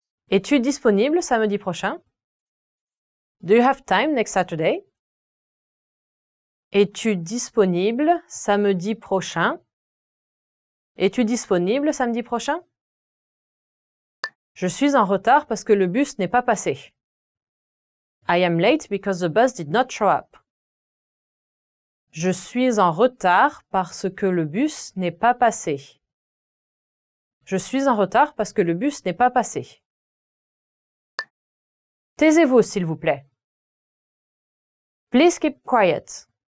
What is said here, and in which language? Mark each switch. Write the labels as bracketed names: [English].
[French] Es-tu disponible samedi prochain? [English] Do you have time next Saturday? [French] Es-tu disponible samedi prochain? Es-tu disponible samedi prochain? Je suis en retard parce que le bus n'est pas passé. [English] I am late because the bus did not show up. [French] Je suis en retard parce que le bus n'est pas passé. Je suis en retard parce que le bus n'est pas passé. Taisez-vous, s'il vous plaît. [English] Please keep quiet.